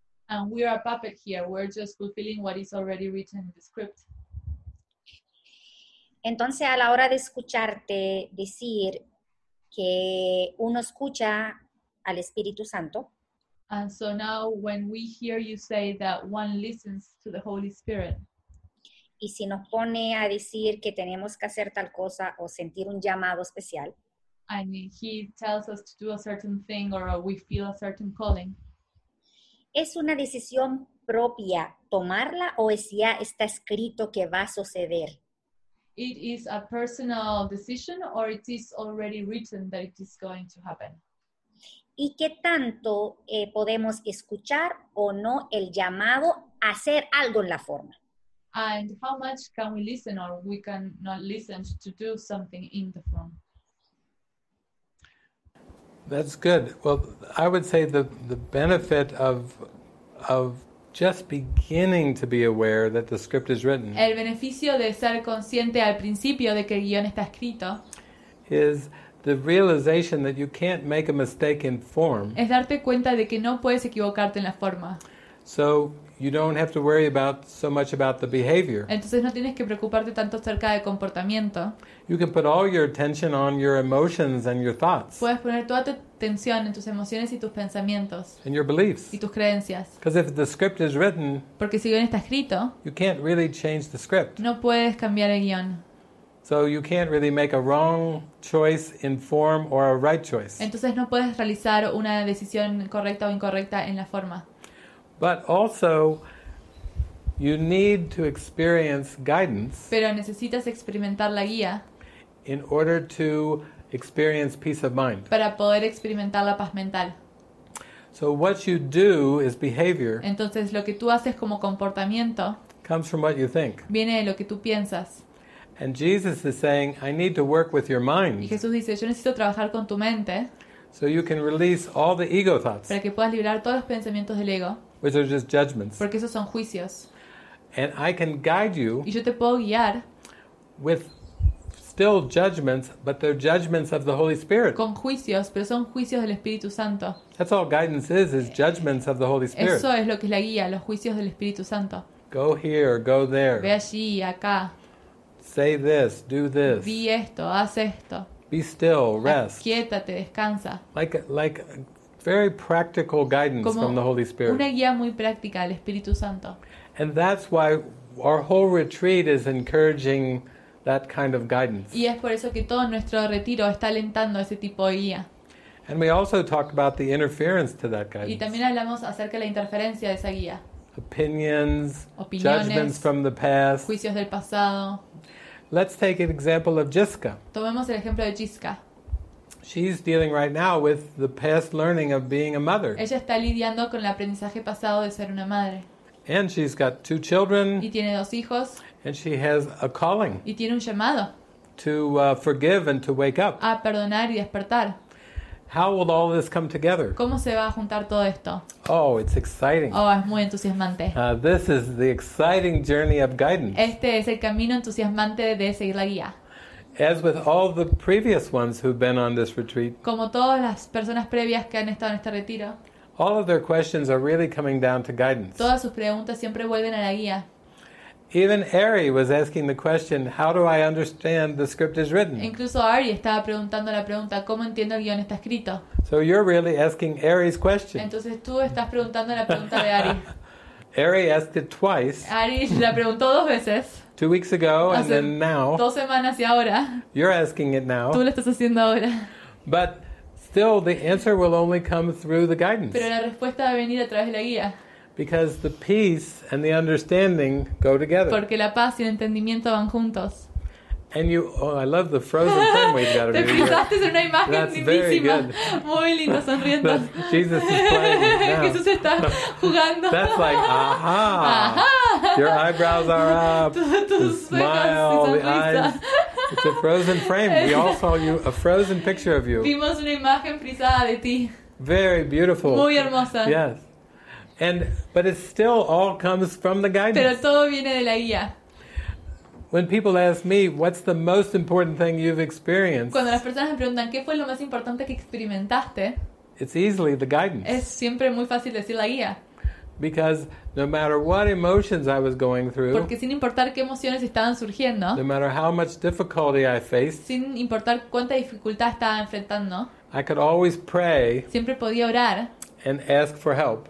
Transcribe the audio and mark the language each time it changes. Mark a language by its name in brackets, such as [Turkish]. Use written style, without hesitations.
[English] And we are a puppet here, we're just fulfilling what is already written in the script. [Spanish] Entonces a la hora de escucharte decir que uno escucha al Espíritu Santo. [English] And so now when we hear you say that one listens to the Holy Spirit. [Spanish] Y si nos pone a decir que tenemos que hacer tal cosa o sentir un llamado especial. [English] And he tells us to do a certain thing or we feel a certain calling. [Spanish] ¿Es una decisión propia tomarla o es ya está escrito que va a suceder? [English] It is a personal decision or it is already written that it is going to happen. [Spanish] ¿Y qué tanto podemos escuchar o no el llamado a hacer algo en la forma? [English] And how much can we listen or we can not listen to do something in the form? That's good. Well, I would say the benefit of just beginning to be aware that the script is written. [Spanish] El beneficio de ser consciente al principio de que el guion está escrito [English] is the realization that you can't make a mistake in form. [Spanish] Es darte cuenta de que no puedes equivocarte en la forma. [English] So you don't have to worry about so much about the behavior. [Spanish] Entonces no tienes que preocuparte tanto acerca del comportamiento. [English] You can put all your attention on your emotions and your thoughts. [Spanish] Puedes poner toda tu atención en tus emociones y tus pensamientos. [English] And your beliefs. [Spanish] Y tus creencias. [English] Because if the script is written, [Spanish] porque si el guion está escrito, [English] you can't really change the script. [Spanish] No puedes cambiar el guion. [English] So you can't really make a wrong choice in form or a right choice. [Spanish] Entonces no puedes realizar una decisión correcta o incorrecta en la forma. [English] But also, you need to experience guidance. [Spanish] Pero necesitas experimentar la guía. [English] In order to experience peace of mind. [Spanish] Para poder experimentar la paz mental. [English] So what you do is behavior. [Spanish] Entonces lo que tú haces como comportamiento. [English] Comes from what you think. [Spanish] Viene de lo que tú piensas. [English] And Jesus is saying, I need to work with your mind. [Spanish] Y Jesús dice, yo necesito trabajar con tu mente. [English] So you can release all the ego thoughts. [Spanish] Para que puedas liberar todos los pensamientos del ego. [English] Which are just judgments. [Spanish] Porque esos son juicios. [English] And I can guide you. [Spanish] Y yo te puedo guiar. [English] With still judgments, but they're judgments of the Holy Spirit. [Spanish] Con juicios, pero son juicios del Espíritu Santo. [English] That's all guidance is judgments of the Holy Spirit. [Spanish] Eso es lo que es la guía, los juicios del Espíritu Santo. [English] Go here, go there. [Spanish] Ve allí, acá. [English] Say this, do this. [Spanish] Di esto, haz esto. [English] Be still, rest. [Spanish] Quiétate, descansa. [English] Like very practical guidance [Spanish] como [English] from the Holy Spirit. [Spanish] Una guía muy práctica del Espíritu Santo. [English] And that's why our whole retreat is encouraging that kind of guidance. [Spanish] Y es por eso que todo nuestro retiro está alentando ese tipo de guía. [English] And we also talk about the interference to that guidance. [Spanish] Y también hablamos acerca de la interferencia de esa guía. [English] Opinions, [Spanish] opiniones, [English] judgments from the past. [Spanish] Juicios del pasado. [English] Let's take an example of Jiska. [Spanish] Tomemos el ejemplo de Jiska. [English] She's dealing right now with the past learning of being a mother. [Spanish] Ella está lidiando con el aprendizaje pasado de ser una madre. [English] And she's got two children. [Spanish] Y tiene dos hijos. [English] And she has a calling. [Spanish] Y tiene un llamado. [English] To forgive and to wake up. [Spanish] A perdonar y despertar. [English] How will all this come together? [Spanish] ¿Cómo se va a juntar todo esto? [English] Oh, it's exciting. [Spanish] Oh, es muy entusiasmante. [English] This is the exciting journey of guidance. [Spanish] Este es el camino entusiasmante de seguir la guía. [English] As with all the previous ones who've been on this retreat. [Spanish] Como todas las personas previas que han estado en este retiro. [English] All of their questions are really coming down to guidance. [Spanish] Todas sus preguntas siempre vuelven a la guía. [English] Even Ari was asking the question, how do I understand the script is written? [Spanish] Incluso Ari estaba preguntando la pregunta, ¿cómo entiendo el guion está escrito? [English] So you're really asking Ari's question. [Spanish] Entonces tú estás preguntando la pregunta de Ari. [English] Ari asked it twice. [Spanish] Ari la preguntó dos veces. [English] 2 weeks ago and then now. [Spanish] 2 semanas y ahora. [English] You're asking it now. [Spanish] Tú lo estás haciendo ahora. [English] But still the answer will only come through the guidance. [Spanish] Pero la respuesta va a venir a través de la guía. [English] Because the peace and the understanding go together. [Spanish] Porque la paz y el entendimiento van juntos. [English] And you, oh, I love the frozen thing we've got to do. That's [Spanish] lindísima. [English] Very good. [Spanish] Muy lindo, sonriendo. [English] Jesus is playing. [Spanish] Jesús está jugando. [English] That's like, aha. Your eyebrows are up. [Spanish] Tus [English] smile, the eyes. It's a frozen frame. We all saw you, a frozen picture of you. [Spanish] Vimos una imagen frisada de ti. [English] Very beautiful. [Spanish] Muy hermosa. [English] Yes. But it still all comes from the guidance. [Spanish] Pero todo viene de la guía. [English] When people ask me, what's the most important thing you've experienced? [Spanish] Cuando las personas me preguntan, ¿qué fue lo más importante que experimentaste? [English] It's easily the guidance. [Spanish] Es siempre muy fácil decir la guía. [English] Because no matter what emotions I was going through, [Spanish] porque sin importar qué emociones estaban surgiendo, [English] no matter how much difficulty I faced, [Spanish] sin importar cuánta dificultad estaba enfrentando, [English] I could always pray, [Spanish] siempre podía orar, [English] and ask for help.